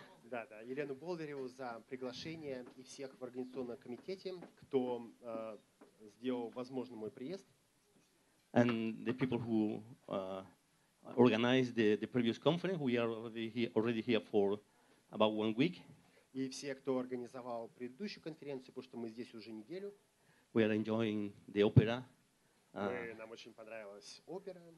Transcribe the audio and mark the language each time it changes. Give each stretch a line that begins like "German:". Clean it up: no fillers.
Russian: Да, да, Елену Болдыреву за приглашение и всех в организационном комитете, кто сделал возможным мой приезд.
English: And the people who organized the previous conference, we are already here for about one week.
Russian: И все, кто организовал предыдущую конференцию, потому что мы здесь уже неделю.
English: We are enjoying the opera.
Russian: Нам очень понравилась опера.